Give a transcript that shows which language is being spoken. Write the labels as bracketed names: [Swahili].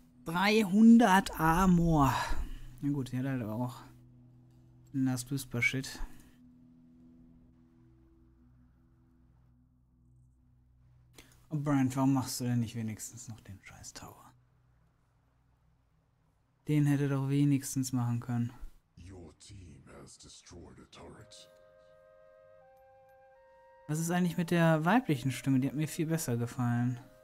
[German] 300 Armor. Na gut, die hat halt auch Last Whisper Shit. Oh, Brian, warum machst du denn nicht wenigstens noch den scheiß Tower? Den hätte doch wenigstens machen können. [English] Your team has destroyed a turret. [German] Was ist eigentlich mit der weiblichen Stimme? Die hat mir viel besser gefallen.